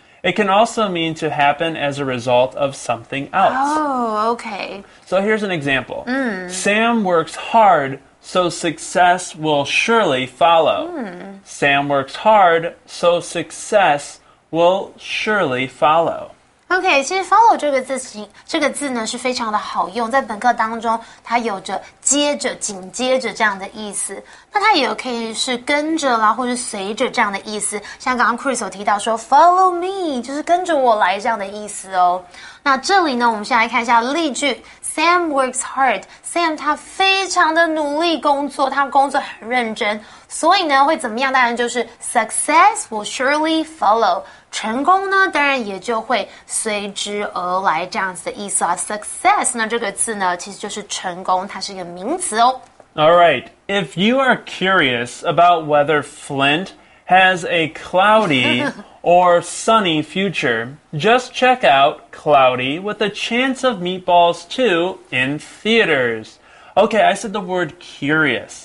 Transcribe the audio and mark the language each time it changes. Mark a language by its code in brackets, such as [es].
[en] It can also mean to happen as a result of something else. Oh, okay. So here's an example.、Mm. Sam works hard, so success will surely follow.、Mm. Sam works hard, so success will surely follow. OK, [zh] 其实 follow 这个字呢是非常的好用，在本课当中它有着接着紧接着这样的意思，那它也可以是跟着啦，或是随着这样的意思，像刚刚 Chris 有提到说 [en] follow me [zh] 就是跟着我来这样的意思哦。那这里呢我们先来看一下例句， [en] Sam works hard， [zh] Sam 他非常的努力工作，他工作很认真，所以呢会怎么样，当然就是 [en] success will surely follow [zh] 成功呢当然也就会随之而来这样子的意思啊。 Success 呢这个字呢其实就是成功，它是一个名词哦。 [en] Alright, if you are curious about whether Flint has a cloudy or sunny future, just check out Cloudy with a Chance of Meatballs 2 in theaters. Okay, I said the word curious.、